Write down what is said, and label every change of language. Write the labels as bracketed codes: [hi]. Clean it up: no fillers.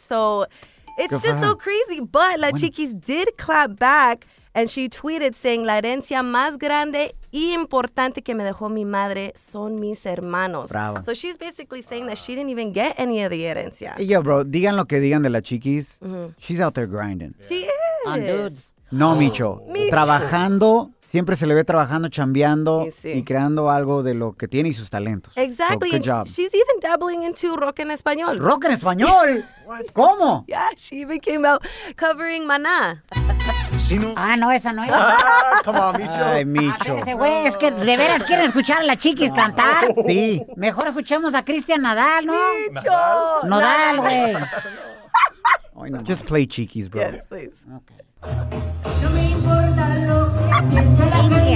[en] So it's good just so crazy. But La Chiquis did clap back. And she tweeted saying, [es] la herencia más grande y importante que me dejó mi madre son mis hermanos. [en] Bravo. So she's basically saying that she didn't even get any of the herencia. Yo, bro, [es] digan lo que digan de La Chiquis. Mm-hmm. [en] She's out there grinding. Yeah. She is. On dudes. [es] No, Micho. Trabajando. Siempre se le ve trabajando, chambeando y creando algo de lo que tiene y sus talentos. [en] Exactly. So, good job. She's even dabbling into rock en español. [es] ¿Rock en español? [en] What? [es] ¿Cómo? [en] Yeah, she even came out covering Maná. [es] Ah, no, esa no es. [en] Come on, Micho. [es] Ay, Micho. Espérese, güey, es que de veras quieren escuchar a La Chiquis cantar. Sí. Mejor escuchemos a Cristian Nadal, ¿no? Micho. Nadal, güey. [en] Just play Chiquis, bro. Yes, please. Okay. [es] No me importa lo que la gente de mí.